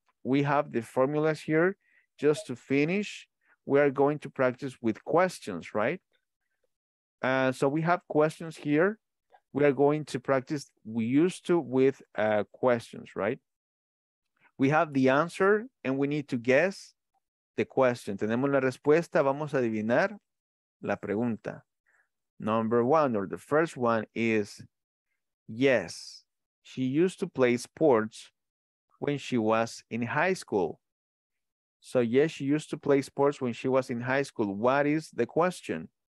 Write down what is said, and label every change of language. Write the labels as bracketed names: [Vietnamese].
[English] We have the formulas here. Just to finish, we are going to practice with questions, right? So we have questions here. We are going to practice we used to with questions, right? We have the answer and we need to guess the question. [Spanish] Tenemos la respuesta, vamos a adivinar la pregunta. [English] Number one, or the first one is, yes, she used to play sports when she was in high school. So yes, she used to play sports when she was in high school. What is the question?